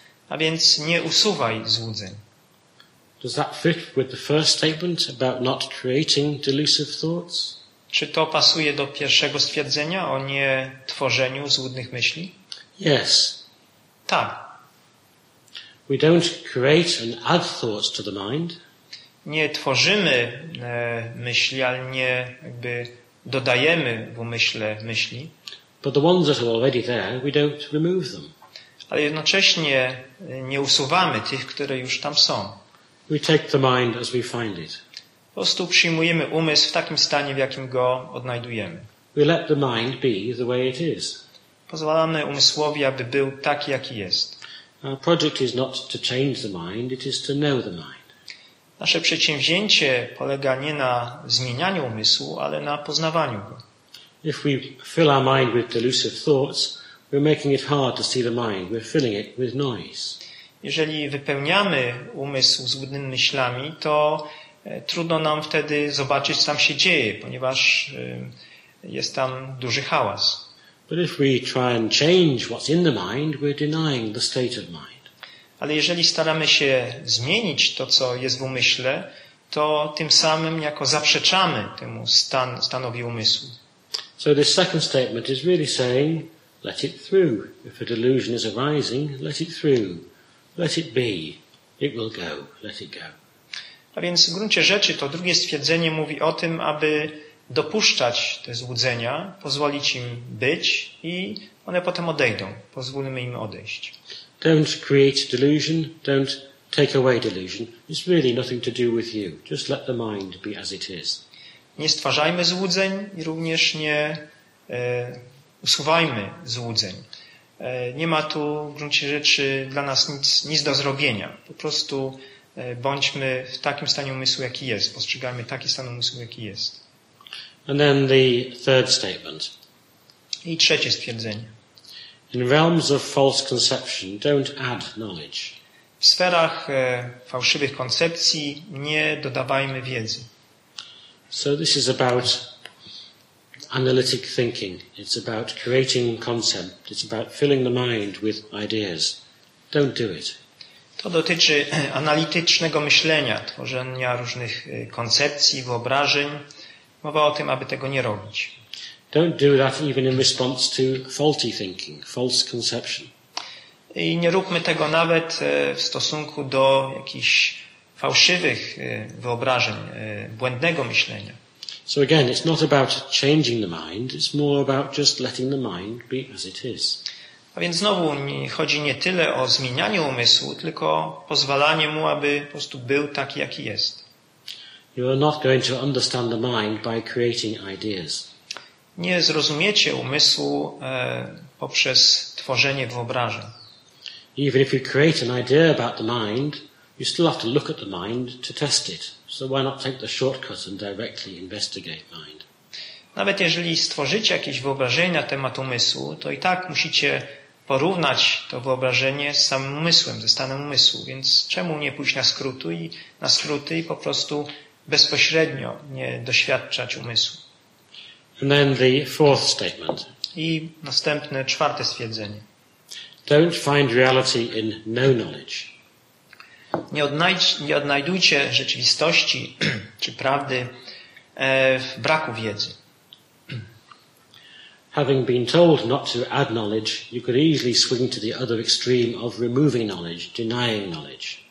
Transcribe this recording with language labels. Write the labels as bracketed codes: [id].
[pl] A więc nie usuwaj złudzeń. [en] Does that fit with the first statement about not creating delusive thoughts? [pl] Czy to pasuje do pierwszego stwierdzenia o nie tworzeniu złudnych myśli? [en] Yes. [pl] Tak. [en] We don't create and add thoughts to the mind. [pl] Nie tworzymy myśli, ale nie jakby dodajemy w umyśle myśli. [en] But the ones that are already there, we don't remove them. [pl] Ale jednocześnie nie usuwamy tych, które już tam są. [en] We take the mind as we find it. [pl] Po prostu przyjmujemy umysł w takim stanie, w jakim go odnajdujemy. [en] We let the mind be the way it is. [pl] Pozwalamy umysłowi, aby był taki, jaki jest. [en] Our project is not to change the mind, it is to know the mind. [pl] Nasze przedsięwzięcie polega nie na zmienianiu umysłu, ale na poznawaniu go. [en] If we fill our mind with delusive thoughts, we're making it hard to see the mind. We're filling it with noise. [pl] Jeżeli wypełniamy umysł złudnymi myślami, to trudno nam wtedy zobaczyć, co tam się dzieje, ponieważ jest tam duży hałas. [en] But if we try and change what's in the mind, we're denying the state of mind. [pl] Ale jeżeli staramy się zmienić to, co jest w umyśle, to tym samym jako zaprzeczamy temu stanowi umysłu. [en] So this second statement is really saying, let it through. If a delusion is arising, let it through. Let it be. It will go. Let it go. [pl] A więc w gruncie rzeczy to drugie stwierdzenie mówi o tym, aby dopuszczać te złudzenia, pozwolić im być i one potem odejdą. Pozwólmy im odejść. [en] Don't create delusion. Don't take away delusion. It's really nothing to do with you. Just let the mind be as it is. [pl] Nie stwarzajmy złudzeń i również nie usuwajmy złudzeń. Nie ma tu w gruncie rzeczy dla nas nic do zrobienia. Po prostu bądźmy w takim stanie umysłu, jaki jest. Postrzegajmy taki stan umysłu, jaki jest. [en] And then the third statement. [pl] I trzecie stwierdzenie. [en] In realms of false conception, don't add knowledge. [pl] W sferach fałszywych koncepcji nie dodawajmy wiedzy. [en] So this is about analytic thinking. It's about creating concept. It's about filling the mind with ideas. Don't do it. [pl] To dotyczy analitycznego myślenia, tworzenia różnych koncepcji, wyobrażeń. Mowa o tym, aby tego nie robić. [en] Don't do that even in response to faulty thinking, false conception. [pl] I nie róbmy tego nawet w stosunku do jakichś fałszywych wyobrażeń, błędnego myślenia. [en] So again, it's not about changing the mind, it's more about just letting the mind be as it is. [pl] A więc znowu nie chodzi nie tyle o zmienianie umysłu, tylko pozwalanie mu, aby po prostu był taki, jaki jest. [en] You are not going to understand the mind by creating ideas. [pl] Nie zrozumiecie umysłu poprzez tworzenie wyobrażeń. [en] Even if you create an idea about the mind, you still have to look at the mind to test it. So why not take the shortcut and directly investigate mind? [pl] Nawet jeżeli stworzycie jakieś wyobrażenie na temat umysłu, to i tak musicie porównać to wyobrażenie z samym umysłem, ze stanem umysłu. Więc czemu nie pójść na skróty i po prostu bezpośrednio nie doświadczać umysłu? [en] And then the fourth statement. [pl] I następne, czwarte stwierdzenie. [en] Don't find reality in no knowledge. [pl] Nie odnajdujcie rzeczywistości czy prawdy w braku wiedzy. [en] Having been told not to add knowledge, you could easily swing to the other extreme of removing knowledge, denying knowledge.